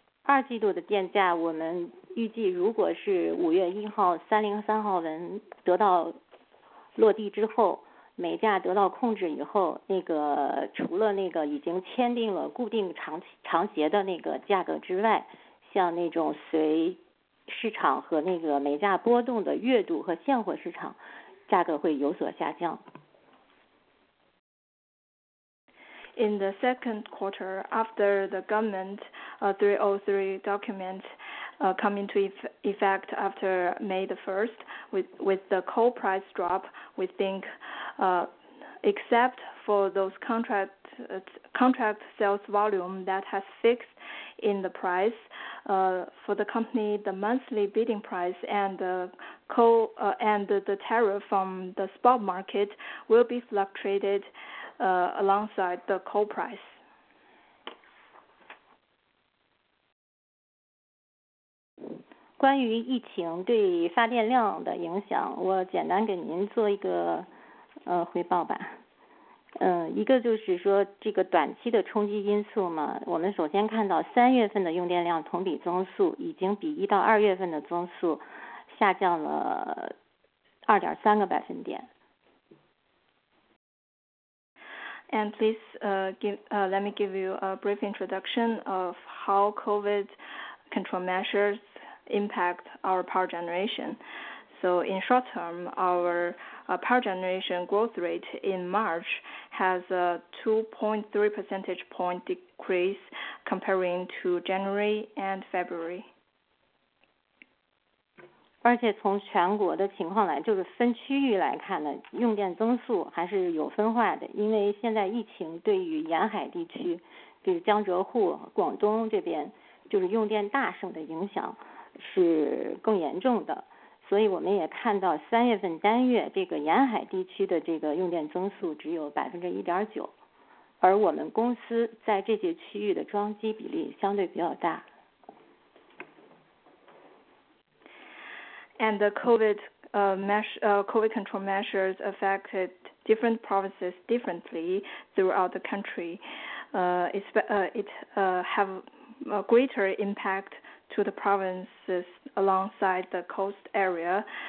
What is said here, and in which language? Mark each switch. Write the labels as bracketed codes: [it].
[zh] 二季度的电价我们预计如果是5月1号303号文得到落地之后，煤价得到控制以后，那个除了那个已经签订了固定长协的那个价格之外，像那种随市场和那个煤价波动的月度和现货市场价格会有所下降。 [en] In the second quarter, after the government 303 document come into effect after May the 1st, with the coal price drop, we think except for those contract sales volume that has fixed in the price, for the company, the monthly bidding price and the coal and the tariff from the spot market will be fluctuated alongside the coal price. [zh] 关于疫情对发电量的影响，我简单给您做一个汇报吧。一个就是说这个短期的冲击因素嘛，我们首先看到三月份的用电量同比增速已经比1到2月份的增速下降了2.3个百分点。 [en] And please let me give you a brief introduction of how COVID control measures impact our power generation. So in short term, our power generation growth rate in March has a 2.3 percentage point decrease comparing to January and February. [zh] 而且从全国的情况来，就是分区域来看呢，用电增速还是有分化的，因为现在疫情对于沿海地区，比如江浙沪、广东这边，就是用电大省的影响是更严重的。所以我们也看到三月份单月这个沿海地区的这个用电增速只有1.9%，而我们公司在这些区域的装机比例相对比较大。 [en] And the COVID, COVID control measures affected different provinces differently throughout the country. It have a greater impact to the provinces alongside the coast area.